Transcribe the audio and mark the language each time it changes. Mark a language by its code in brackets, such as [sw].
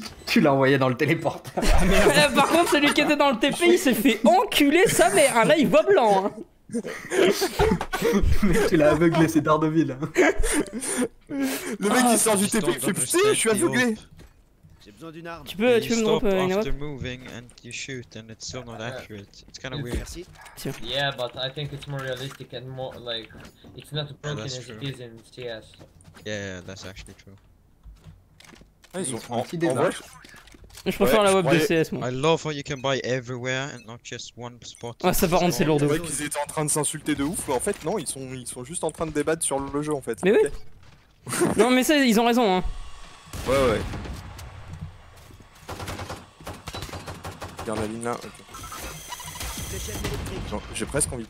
[fr] Tu l'as envoyé dans le téléporteur. Ah, merde. Par contre, celui qui était dans le TP, il s'est fait enculer sa mère. Là, il voit blanc. Hein. Mais tu l'as aveuglé, c'est Daredevil. Le mec il sort du TP, tu fais si, je suis aveuglé. J'ai besoin d'une arme. Tu peux me drop une arme. [en] After moving and you shoot and it's still not accurate. It's kind of weird. [fr] Merci. [en] Yeah, but I think it's more realistic and more like it's not broken as it is in CS. Yeah, that's actually true. [fr] Ils ont un petit débat. Je préfère la web de CS, moi. [en] I love what you can buy everywhere and not just one spot. [fr] Ah, ça va rendre c'est lourd de ouf. Je croyais qu'ils étaient en train de s'insulter de ouf, mais en fait, non, ils sont juste en train de débattre sur le jeu en fait. Mais okay. Oui. Non, mais ça, ils ont raison, hein. Ouais. Garde la ligne là, ok. Non, j'ai presque envie.